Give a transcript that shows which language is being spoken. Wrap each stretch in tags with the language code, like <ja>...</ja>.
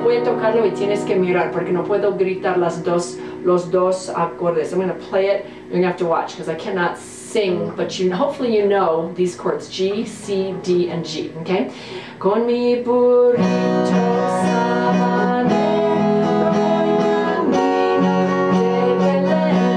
<es>Voy a tocarlo y tienes que mirar porque no puedo gritar los dos acordes.</es> <en>I'm going to play it. You're going to have to watch because I cannot sing, but hopefully you know these chords. G, C, D, and G. Okay?</en> <es>Con mi burrito sabanero, voy camino de Belén.</es>